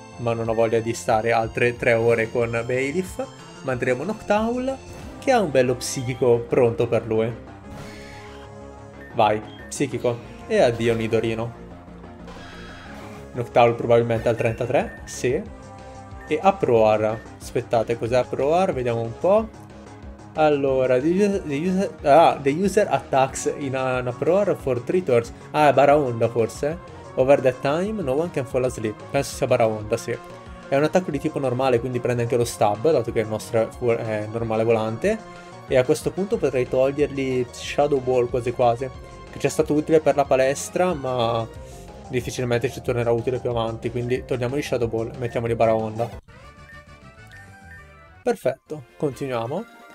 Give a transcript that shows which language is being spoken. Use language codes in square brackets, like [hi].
[it] Ma non ho voglia di stare altre 3 ore con Bailiff. Manderemo Noctowl, che ha un bello psichico pronto per lui. Vai, psichico. E addio Nidorino. Noctowl probabilmente al 33, sì. E Aproar. Aspettate, cos'è Aproar? Vediamo un po'. [en] Allora, the user attacks in an Aproar for 3 turns. [it] Ah, è Baraonda forse. [en] Over that time, no one can fall asleep. [it] Penso sia Baraonda, sì. È un attacco di tipo normale, quindi prende anche lo stab, dato che il nostro è normale volante. E a questo punto potrei togliergli Shadow Ball quasi quasi. Che ci è stato utile per la palestra, ma difficilmente ci tornerà utile più avanti. Quindi togliamogli Shadow Ball, mettiamogli Baraonda. Perfetto, continuiamo.